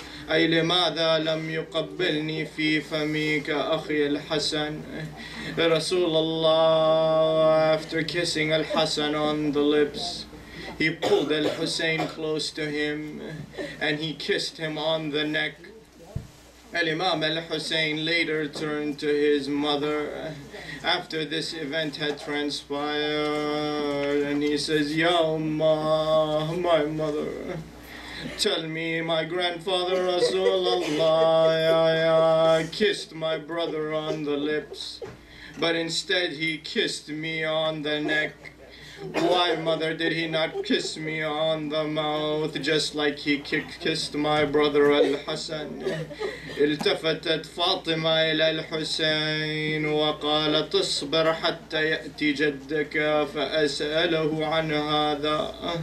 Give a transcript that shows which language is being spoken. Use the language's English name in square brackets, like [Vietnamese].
[Arabic] أي لماذا لم يقبلني في فميك أخي الحسن رسول الله. [English] After kissing Al-Hasan on the lips, he pulled Al-Hussein close to him and he kissed him on the neck. Al-Imam Al-Hussein later turned to his mother after this event had transpired and he says, Ya Ummah, my mother, tell me my grandfather Rasulullah kissed my brother on the lips, but instead he kissed me on the neck. Why, mother, did he not kiss me on the mouth just like he kissed my brother Al-Hasan? [Arabic] التفتت فاطمة إلى الحسين وقالت اصبر حتى يأتي جدك فأسأله عن هذا.